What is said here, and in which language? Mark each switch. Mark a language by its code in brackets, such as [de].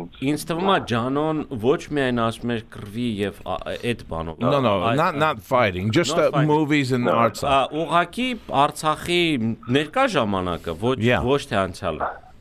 [hy] ինձ թվում է Ջանոն ոչ միայն ասում էր Կռվի եւ այդ բանով, [en] not fighting, just the movies and the arts. [hy] Ուղղակի Արցախի ներկա ժամանակը, ոչ թե անցյալը։